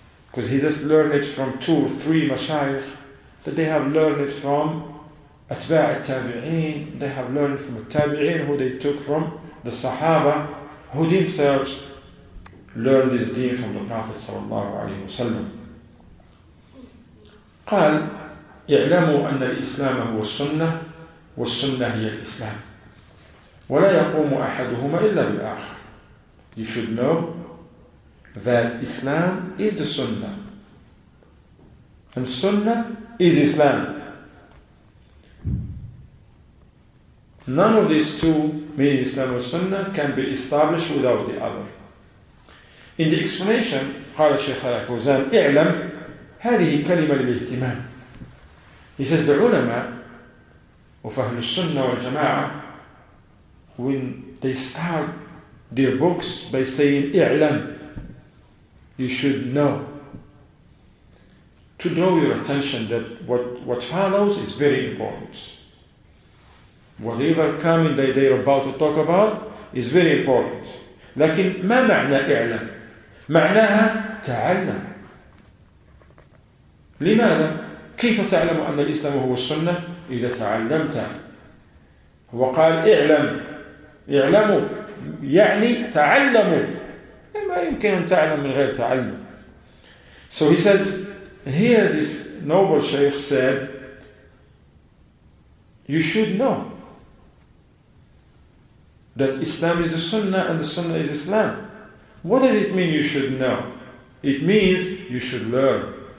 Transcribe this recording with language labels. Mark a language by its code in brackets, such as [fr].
[en] Because he just learned it from two or three mashayikh, that they have learned it from atba' al-Tabi'een, they have learned from al-Tabi'een who they took from the Sahaba, who themselves learned this deen from the Prophet sallallahu alayhi wa sallam. [ar] قال يعلموا أن الإسلام هو السنة والسنة هي الإسلام ولا يقوم أحدهما إلا بالآخر. [en] You should know that Islam is the Sunnah and Sunnah is Islam. None of these two, meaning Islam and Sunnah, can be established without the other. In the explanation, [ar] قال الشيخ صالح فوزان اعلم هذه كلمة للاهتمام. [en] He says the ulama of Ahlul Sunnah wal Jama'ah, when they start their books by saying i'lam, you should know, to draw your attention that what follows is very important. Whatever coming that they're about to talk about is very important. [ar] لكن ما معنى i'lam؟ معناها تعلم. لماذا؟ كيف تعلم أن الإسلام هو السنة إذا تعلمت؟ هو قال اعلم، اعلموا يعني تعلموا، ما يمكن أن تعلم من غير تعلم. [en] So he says, here this noble Shaykh said, you should know that Islam is the Sunnah and the Sunnah is Islam. What does it mean you should know? It means you should learn.